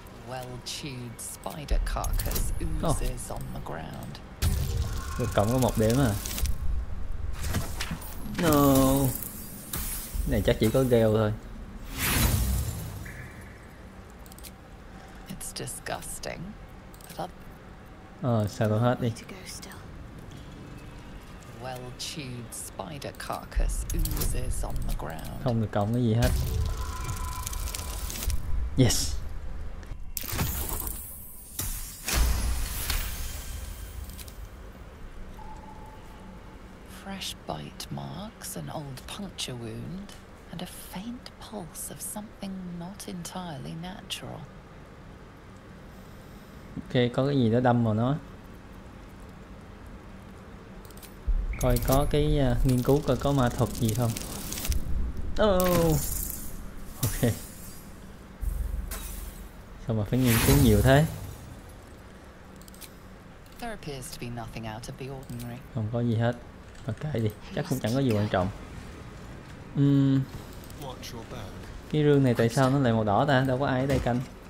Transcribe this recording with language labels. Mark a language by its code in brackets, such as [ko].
[en] Well-chewed spider carcass oozes on the ground. [vi] Được cộng có một điểm à. [en] No. [vi] Cái này chắc chỉ có Gale thôi. [en] It's disgusting. [vi] Sao hết đi. [en] Well-chewed spider carcass oozes on the ground. [vi] Không được cộng cái gì hết. [en] Yes. Fresh bite marks, an old puncture wound, and a faint pulse of something not entirely natural. [vi] Ok, có cái gì đó đâm vào nó. Coi có cái nghiên cứu coi có ma thuật gì không. Oh. Ok. Sao mà phải nghiên cứu nhiều thế? [en] There appears to be nothing out of the ordinary. [vi] Không có gì hết. Ok đi, chắc cũng chẳng có gì quan trọng. Cái rương này tại sao nó lại màu đỏ ta? Đâu có ai ở đây canh.